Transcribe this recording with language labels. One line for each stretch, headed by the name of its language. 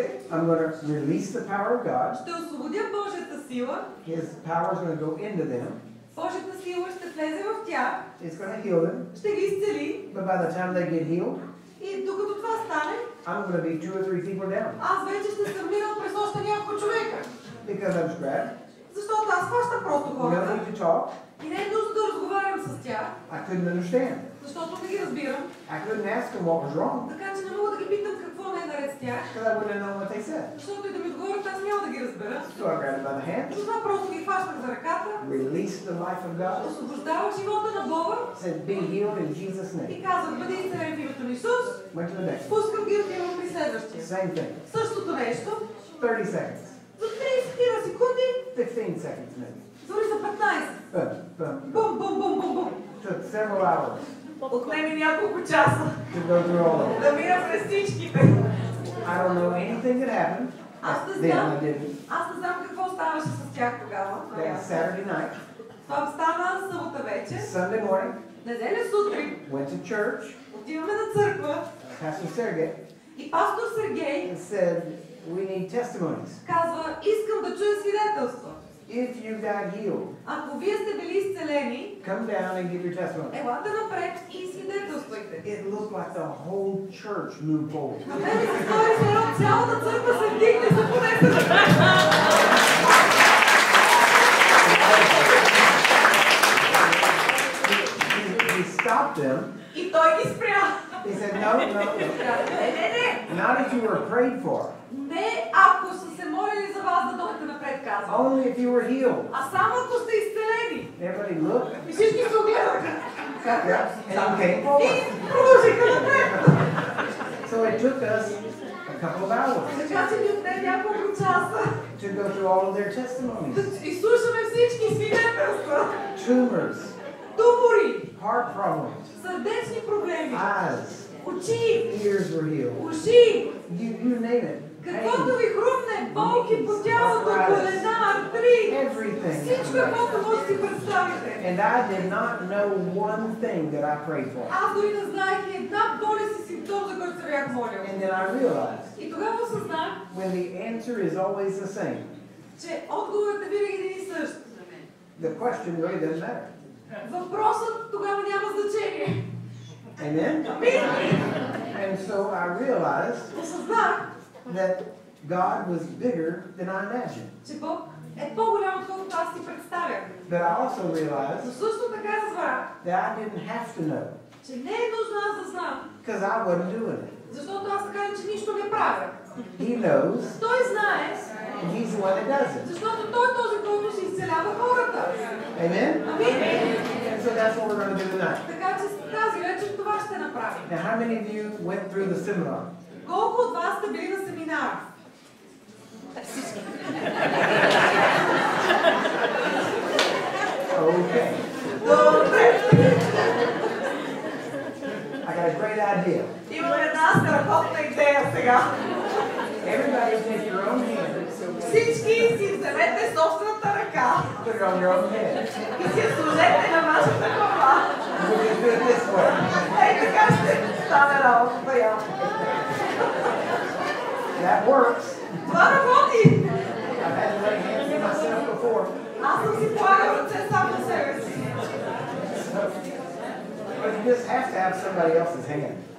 English: I'm going to release the power of God. His power is going to go into them.
Bulgarian: Божията сила ще влезе в тях.
English: It's going to heal them.
Bulgarian: Ще ги изцели.
English: But by the time they get healed,
Bulgarian: и докато това стане,
English: I'm going to be two or three people down.
Bulgarian: Аз вече ще стърмирам през още няколко човека.
English: Because I'm scared.
Bulgarian: Защото аз хваща просто хората.
English: We don't need to talk.
Bulgarian: И не е нужно да разговарям с тях.
English: I couldn't understand.
Bulgarian: Защото не ги разбирам.
English: I couldn't ask them what was wrong.
Bulgarian: Така че не мога да ги питам какво не е наред с тях.
English: Because I wouldn't know what they said.
Bulgarian: Защото и да ми отговорят, аз няма да ги разбера.
English: So I grabbed by the hand.
Bulgarian: Това просто ги хващам за ръката.
English: Release the life of God.
Bulgarian: Освобождавам живота на Бога.
English: Said, be healed in Jesus' name.
Bulgarian: И казвам, бъди изцелен в името на Исус.
English: Went to the next.
Bulgarian: Пускам ги и отивам при следващия.
English: Same thing.
Bulgarian: Същото нещо.
English: 30 seconds.
Bulgarian: За 30 секунди.
English: 15 seconds maybe.
Bulgarian: Дори за 15. Бум, бум, бум, бум, бум.
English: Took several hours.
Bulgarian: Отнеми няколко часа.
English: To go through all of them.
Bulgarian: Да мина през всичките.
English: I don't know anything that happened.
Bulgarian: Аз не знам какво ставаше с тях тогава.
English: Then, Saturday night.
Bulgarian: Това стана събота вече.
English: Sunday morning.
Bulgarian: Неделя сутрин.
English: Went to church.
Bulgarian: Отиваме на църква.
English: Pastor Sergey.
Bulgarian: И пастор Сергей.
English: And said, we need testimonies.
Bulgarian: Казва, искам да чуя свидетелство.
English: If you got healed,
Bulgarian: ако вие сте били изцелени,
English: come down and give your testimony.
Bulgarian: Елате напред и свидетелствайте.
English: It looked like the whole church moved forward.
Bulgarian: На мен ми се стори, че цялата църква се вдигне за поредно.
English: He stopped them.
Bulgarian: И той ги спря.
English: He said, no, no, no. Not if you were prayed for.
Bulgarian: Не ако са се молили за вас да дойдете напред, казвам.
English: Only if you were healed.
Bulgarian: А само ако сте изцелени.
English: Everybody look.
Bulgarian: И всички се огледаха.
English: Yeah. Okay.
Bulgarian: И продължиха напред.
English: So it took us a couple of hours.
Bulgarian: Така че ни отне няколко часа.
English: To go through all of their testimonies.
Bulgarian: Да изслушаме всички свидетелства.
English: Tumors.
Bulgarian: Тумори.
English: Heart problems.
Bulgarian: Сърдечни проблеми.
English: Eyes.
Bulgarian: Очи.
English: Ears were healed.
Bulgarian: Уши.
English: You name it.
Bulgarian: Каквото ви хрумне, болки по тялото, колена, артрит, всичко, което може си представите.
English: And I did not know one thing that I prayed for.
Bulgarian: Аз дори не знаех една болест и симптом, за който се бях молил.
English: And then I realized.
Bulgarian: И тогава осъзнах.
English: When the answer is always the same.
Bulgarian: Че отговорът е винаги един и същ.
English: The question really doesn't matter.
Bulgarian: Въпросът тогава няма значение.
English: Amen. And so I realized.
Bulgarian: Осъзнах.
English: That God was bigger than I imagined.
Bulgarian: Че Бог е по-голям от колкото аз си представях.
English: That I also realized. That I didn't have to know.
Bulgarian: Че не е нужно аз да знам.
English: Because I wasn't doing it.
Bulgarian: Защото аз така че нищо не правя.
English: He knows.
Bulgarian: Той знае.
English: And he's the one that does it.
Bulgarian: Защото той е този, който ще изцелява хората.
English: Amen.
Bulgarian: Амин.
English: And so that's what we're going to do tonight.
Bulgarian: Така че тази вечер това ще направим.
English: Now how many of you went through the seminar?
Bulgarian: Колко от вас сте били на семинар?
English: Okay.
Bulgarian: Добре.
English: I got a great idea.
Bulgarian: Имам една страхотна идея сега.
English: Everybody take your own hand.
Bulgarian: Всички си вземете собствената ръка.
English: Put it on your own head.
Bulgarian: И си сложете на вашата глава.
English: We'll just do it this way.
Bulgarian: Ей, така ще стане работата я.
English: That works.
Bulgarian: Това работи.
English: I've had to lay hands on myself before. So, but you just have to have somebody else's hand.